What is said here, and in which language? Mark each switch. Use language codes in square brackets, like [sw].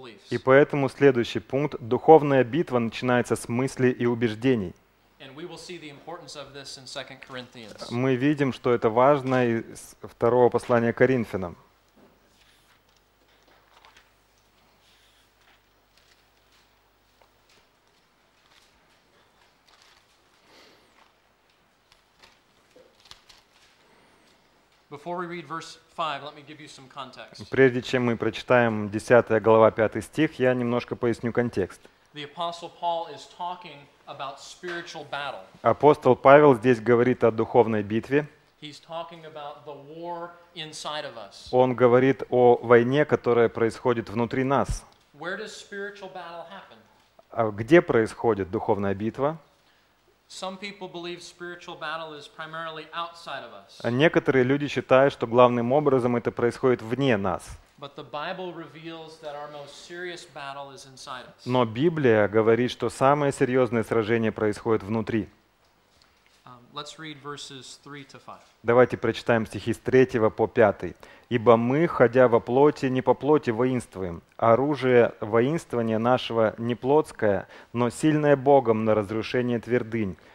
[ru] И поэтому следующий пункт. Духовная битва начинается с мыслей и убеждений. [en] And we will see the importance of this in 2 Corinthians. [ru] Мы видим, что это важно из второго послания Коринфянам. [en] Before we read verse 5, let me give you some context. [ru] Прежде чем мы прочитаем 10 глава 5 стих, я немножко поясню контекст. [en] The apostle Paul is talking about spiritual battle. [ru] Апостол Павел здесь говорит о духовной битве. [en] He's talking about the war inside of us. [ru] Он говорит о войне, которая происходит внутри нас. [en] Where does spiritual battle happen? [ru] А где происходит духовная битва? [en] Some people believe spiritual battle is primarily outside of us. [ru] А некоторые люди считают, что главным образом это происходит вне нас. [en] But the Bible reveals that our most serious battle is inside us. [ru] Но Библия говорит, что самое серьезное сражение происходит внутри. [en] Let's read verses 3 to 5. [ru] Давайте прочитаем стихи с 3 по 5. «Ибо мы, ходя во плоти, не по плоти воинствуем. Оружие воинствования нашего не плотское, но сильное Богом на разрушение твердынь.